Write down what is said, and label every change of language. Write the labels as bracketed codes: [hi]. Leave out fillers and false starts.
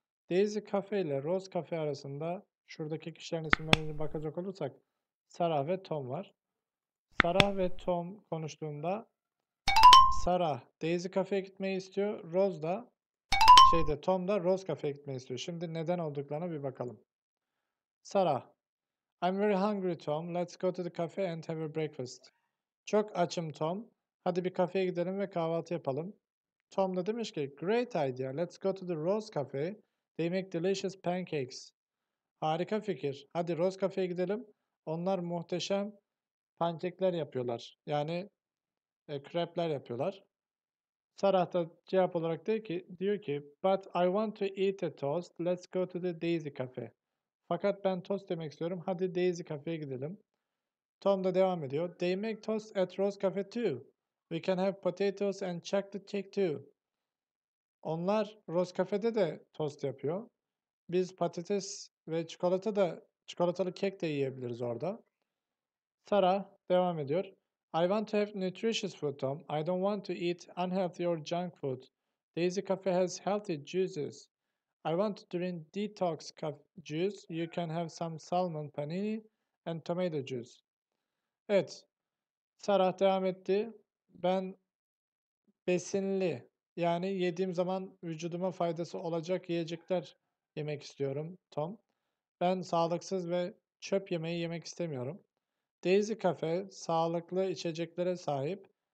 [tr] Daisy Cafe ile Rose Cafe arasında şuradaki kişilerin isimlerine bakacak olursak Sarah ve Tom var. Sarah ve Tom konuştuğunda Sarah Daisy Cafe'ye gitmeyi istiyor. Rose da şeyde Tom da Rose Cafe'ye gitmeyi istiyor. Şimdi neden olduklarına bir bakalım. Sarah, [en] I'm very hungry, Tom. Let's go to the cafe and have a breakfast. [tr] Çok açım Tom. Hadi bir kafeye gidelim ve kahvaltı yapalım. Tom da demiş ki, [en] great idea. Let's go to the Rose Cafe. They make delicious pancakes. [tr] Harika fikir. Hadi Rose Cafe'ye gidelim. Onlar muhteşem pankekler yapıyorlar. Yani krepler yapıyorlar. Sarah da cevap olarak diyor ki, [en] but I want to eat a toast. Let's go to the Daisy Cafe. [tr] Fakat ben tost yemek istiyorum. Hadi Daisy Cafe'ye gidelim. Tom da devam ediyor. [en] They make toast at Rose Cafe too. We can have potatoes and chocolate cake too. [tr] Onlar Rose Cafe'de de tost yapıyor. Biz patates ve çikolatalı kek de yiyebiliriz orada. Sarah devam ediyor. [en] I want to have nutritious food, Tom. I don't want to eat unhealthy or junk food. Daisy Cafe has healthy juices. I want to drink detox juice. You can have some salmon panini and tomato juice. [tr] Evet, Sarah devam etti. Ben besinli, yani yediğim zaman vücuduma faydası olacak yiyecekler yemek istiyorum, Tom. Ben sağlıksız ve çöp yemeği yemek istemiyorum. Daisy Cafe sağlıklı içeceklere sahip.